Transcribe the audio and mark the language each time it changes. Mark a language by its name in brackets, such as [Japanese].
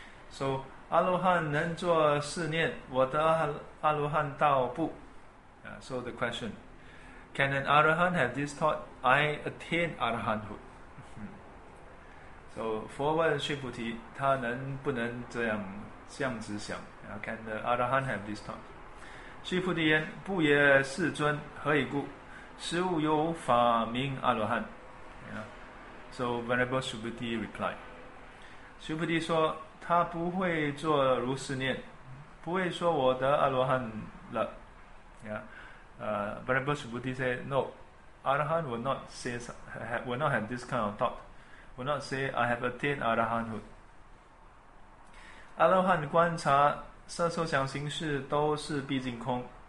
[Chinese] So 阿罗汉能作四念，我得阿罗汉道不? [English] So the question: can an arahant have this thought? I attain arahanthood. [Chinese] So 佛问须菩提, 他能不能这样想? [English] Can the arahant have this thought? [Chinese] 须菩提言, 不也世尊, 何以故? 实无有法名阿罗汉. [English] So Venerable Subhuti replied. [Chinese] 须菩提说, 他不会做如是念, 不会说我得阿罗汉了. [English] Venerable Subhuti said, no, arahant will not say, will not have this kind of thought, will not say, I have attained arahanthood. [Chinese] 阿罗汉观察色受想行识都是毕竟空.